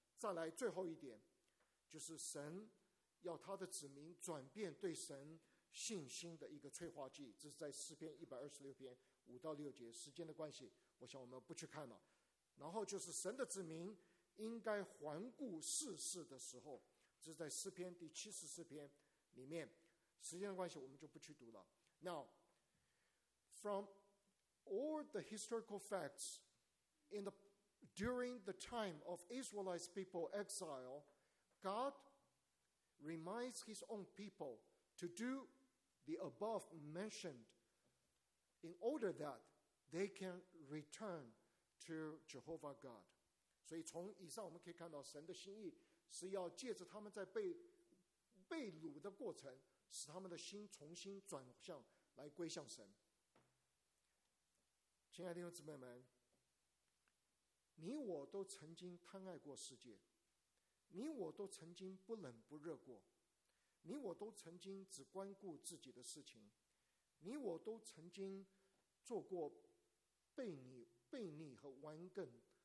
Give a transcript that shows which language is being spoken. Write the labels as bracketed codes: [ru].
[zh] 再来最后一点，就是神要他的子民转变对神信心的一个催化剂，这是在诗篇126篇5到6节。时间的关系，我想我们不去看了。然后就是神的子民应该环顾世事的时候，这是在诗篇第74篇里面。时间的关系我们就不去读了。 [en] Now fromAll the historical facts during the time of Israelite people exile, God reminds his own people to do the above mentioned in order that they can return to Jehovah God. [zh] 所以从以上我们可以看到神的心意是要借着他们在被掳的过程使他们的心重新转向来归向神。亲爱的弟兄姊妹们，你我都曾经贪爱过世界，你我都曾经不冷不热过，你我都曾经只关顾自己的事情，你我都曾经做过悖逆和顽梗